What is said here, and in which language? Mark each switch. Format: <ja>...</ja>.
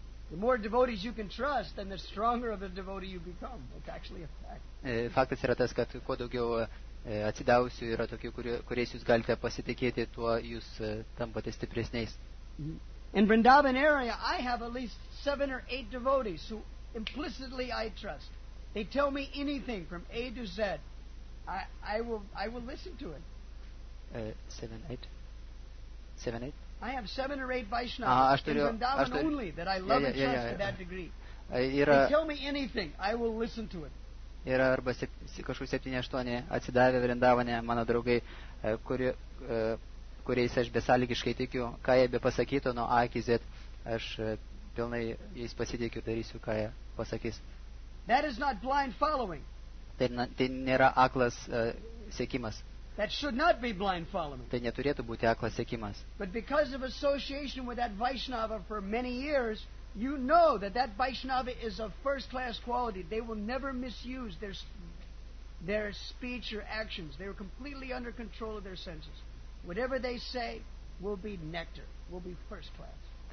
<en>The more devotees you can trust, then the stronger of a devotee you become. It's actually a fact.</en> <lt>Faktas yra tas, kad kuo daugiau atsidavusių yra tokių, kuriais jūs galite pasitikėti, tuo jūs tampate stipresniais.</lt> <en>In Vrindavan area, I have at least 7 or 8 devotees who implicitly I trust. They tell me anything from A to Z. I will listen to it. 7, 8. I have 7 or 8 Vaishnavas in Vrindavan only that I love and trust to that degree. They tell me anything, I will listen to it.</en> <lt>Yra arba kažkur 7, 8 atsidavę Vrindavane mano draugai, kuriais aš besąlygiškai tikiu, ką jie be pasakytų nuo A iki Z, aš pilnai jais pasitikiu, darysiu, ką jie pasakys.</lt> <en>That is not blind following.</en> <lt>Tai nėra aklas sekimas.</lt> <en>That should not be blind following.</en> <lt>Tai neturėtų būti aklas sekimas.</lt> <en>But because of association with that Vaishnava for many years, you know that that Vaishnava is of first class quality. They will never misuse their speech or actions. They are completely under control of their senses. Whatever they say will be nectar, will be first class.</en>